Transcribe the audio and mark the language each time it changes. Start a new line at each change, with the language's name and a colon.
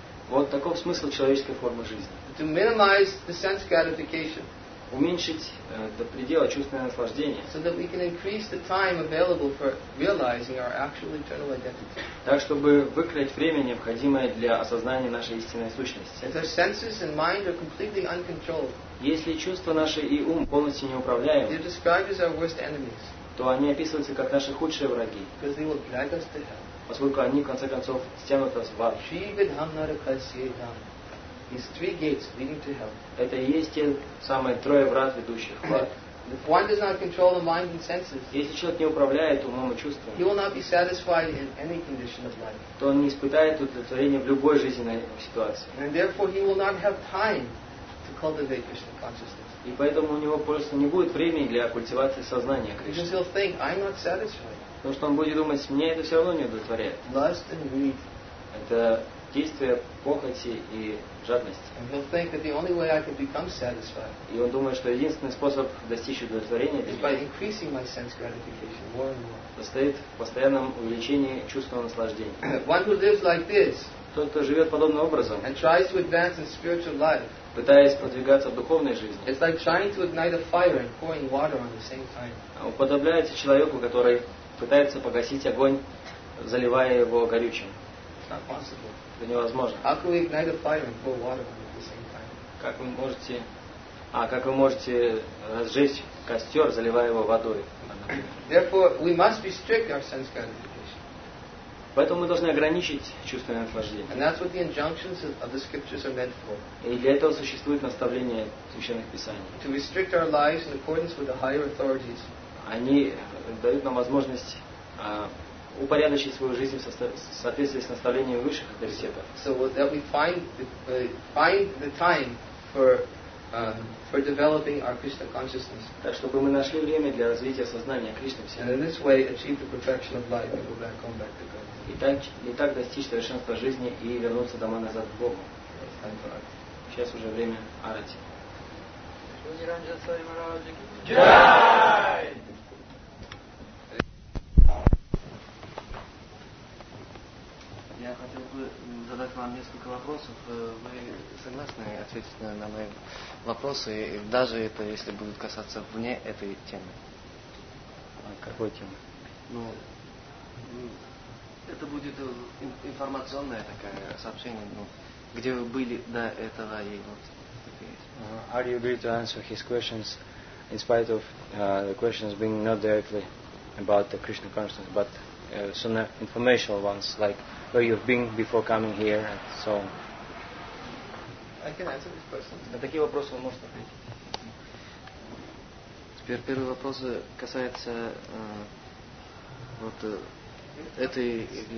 Russian: Вот таков смысл человеческой формы жизни. Уменьшить до предела чувственное наслаждение.
English: So that we can increase the time available for realizing our actual eternal identity.
Russian: Так, чтобы выкроить время, необходимое для осознания нашей истинной сущности.
English: If our senses and mind are completely uncontrolled,
Russian: если чувства наши и ум полностью неуправляемы,
English: they're described as our worst enemies,
Russian: то они описываются как наши худшие враги.
English: Because they will drag us to hell.
Russian: Поскольку они, в конце концов, стянут нас в ад.
English: Shri Vidham Narakasya Dham. Is three gates leading to hell.
Russian: Это и есть те самые трое врат, ведущих в ад.
English: If one does not control the mind and senses,
Russian: если человек не управляет умом и чувствами,
English: he will not be satisfied in any condition of life.
Russian: То он не испытает удовлетворения в любой жизненной ситуации.
English: And therefore he will not have time to cultivate Krishna consciousness.
Russian: И поэтому у него просто не будет времени для культивации сознания Кришны.
English: Because he'll think, I'm not satisfied.
Russian: Потому что он будет думать, мне это все равно не удовлетворяет.
English: Lust and greed.
Russian: Это действия похоти и жадности.
English: And he'll think that the only way I can become satisfied,
Russian: и он думает, что единственный способ достичь удовлетворения
English: is by increasing my sense gratification more and more.
Russian: Состоит в постоянном увеличении чувственного наслаждения.
English: One who lives like this,
Russian: тот, кто живет подобным образом,
English: and tries to advance in spiritual life,
Russian: пытаясь продвигаться в духовной жизни,
English: it's like trying to ignite a fire and pouring water on the same time.
Russian: Уподобляется человеку, который пытается погасить огонь, заливая его горючим.
English: It's not possible.
Russian: Это невозможно.
English: How can we ignite a fire and pour water at the same time?
Russian: Как вы можете разжечь костер, заливая его водой?
English: Therefore, we must restrict our sense gratification.
Russian: Поэтому мы должны ограничить чувственное наслаждение.
English: And that's what the injunctions of the scriptures are meant for.
Russian: И для этого существует наставление священных писаний.
English: To restrict our lives in accordance with the higher authorities.
Russian: Они дают нам возможность упорядочить свою жизнь в соответствии с наставлением высших авторитетов.
English: So that we find the time for developing our Krishna consciousness.
Russian: Так, чтобы мы нашли время для развития сознания Кришны в себе.
English: And in this way achieve the perfection of life and go back home back to God.
Russian: И так достичь совершенства жизни и вернуться домой назад к Богу.
English: It's time for arati.
Russian: Сейчас уже время арати. Jai! Я хотел бы задать вам несколько вопросов. Вы согласны ответить на мои вопросы, даже это если будут касаться вне этой темы? Какой темы? Ну, это будет информационное такое сообщение, ну, где вы были до этого и вот.
English: Are you agree to answer his questions in spite of the questions being not directly about the Krishna consciousness, but some informational ones, like where you've been before coming here, and so on. I can answer this question.
Russian: На такие вопросы вы можете ответить. Теперь первый вопрос касается вот этой